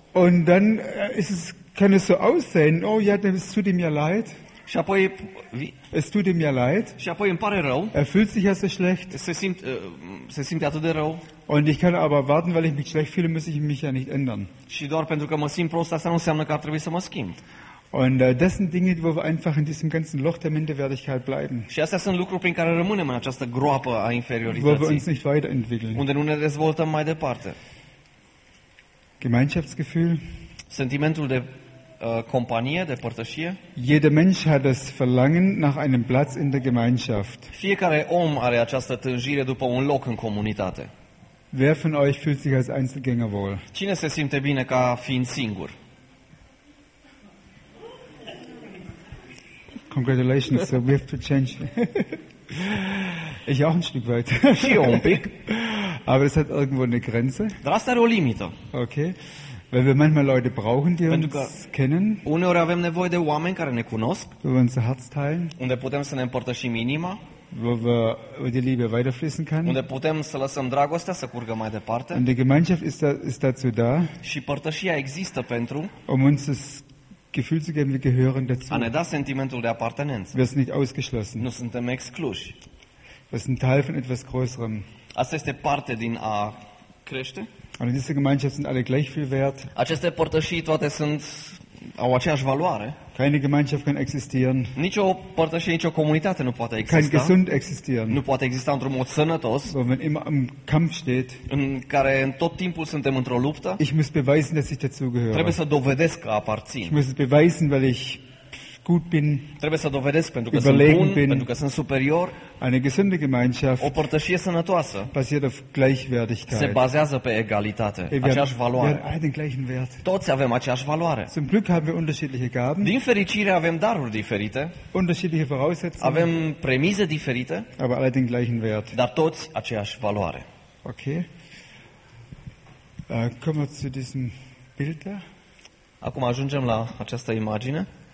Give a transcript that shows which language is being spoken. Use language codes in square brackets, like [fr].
[de] Und dann ist es, kann es so aussehen, oh ja, das tut ihm ja leid. [ro] Și apoi [de] es tut ihm ja leid. [ro] Și apoi îmi pare rău. [de] Er fühlt sich ja so schlecht. [ro] Se simte atât de rău. [de] Und ich kann aber warten, weil ich mich schlecht fühle, muss ich mich ja nicht ändern. [ro] Și doar pentru că mă simt prost, asta nu înseamnă că ar trebui să mă schimb. [de] Und das sind Dinge, wo wir einfach in diesem ganzen Loch der Minderwertigkeit bleiben. [ro] Și astea sunt lucruri prin care rămânem în această groapă a inferiorității. [de] Wo wir uns nicht weiterentwickeln. [ro] Unde nu ne dezvoltăm mai departe. [de] Gemeinschaftsgefühl. [ro] Sentimentul de companie, de părtășie. [de] Jeder Mensch hat das Verlangen nach einem Platz in der Gemeinschaft. [ro] Fiecare om are această tânjire după un loc în comunitate. [de] Wer von euch fühlt sich als Einzelgänger wohl? [ro] Cine se simte bine ca fiind singur? [en] Congratulations, so we have to change. [de] Ich auch ein Stück weit. [ro] Și eu un pic. [de] Aber es hat irgendwo eine Grenze. [ro] Dar asta are o limită. Okay. [de] Weil wir manchmal Leute brauchen, die [ro] Pentru [de] uns kennen. [ro] Uneori avem nevoie de oameni care ne cunosc. [de] Wo wir unser Herz teilen. [ro] Unde putem să ne împărtășim inima. [de] Wo wir die Liebe weiterfließen kann. [ro] Unde putem să lăsăm dragostea să curgă mai departe. [de] Und die Gemeinschaft ist dazu da. [ro] Și părtășia există pentru. [de] Um uns das Gefühl zu geben, wir gehören dazu. [ro] A ne da sentimentul de apartenență. [de] Wir sind nicht ausgeschlossen. [ro] Nu suntem excluși. [de] Wir sind Teil von etwas Größerem. [ro] Asta este parte din a crește. [de] Und diese Gemeinschaft sind alle gleich viel wert. [ro] Aceste părtășii toate sunt au aceeași valoare. [de] Keine Gemeinschaft kann existieren. [ro] Nicio părtășie, nicio comunitate nu poate exista. [de] Kann gesund existieren. [ro] Nu poate exista într-un mod sănătos. [de] Wo man immer im Kampf steht. [ro] În care în tot timpul suntem într-o luptă. [de] Ich muss beweisen, dass ich dazugehöre. [ro] Trebuie să dovedesc că aparțin. [de] Ich muss beweisen, weil ich gut bin. [ro] Trebuie să dovedesc pentru că sunt bun, pentru că sunt superior. [de] Eine gesunde Gemeinschaft. [ro] O părtășie sănătoasă. [de] Basiert auf Gleichwertigkeit. [ro] Se bazează pe egalitate, aceeași valoare. [de] Wir haben den gleichen Wert. [ro] Toți avem aceeași valoare. [de] Zum Glück haben wir unterschiedliche Gaben. [ro] Din fericire avem daruri diferite. [de] Unterschiedliche Voraussetzungen. [ro] Avem premize diferite. [de] Aber alle den gleichen Wert. [ro] Dar toți aceeași valoare. Okay. [de] Kommen wir zu diesem Bild da. [ro] Acum ajungem la această imagine.